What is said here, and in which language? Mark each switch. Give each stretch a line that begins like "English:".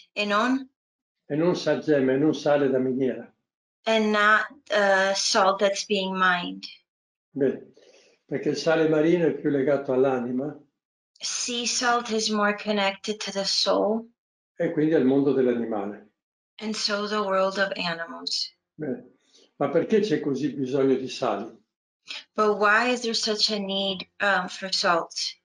Italian: E non sal gemma, e non sale da miniera.
English: And not salt that's being mined.
Italian: Beh, perché il sale marino è più legato all'anima.
English: Sea salt is more connected to the soul.
Italian: E quindi al mondo dell'animale.
English: And so the world of animals.
Italian: Beh, ma perché c'è così bisogno di sale?
English: But why is there such a need for salt?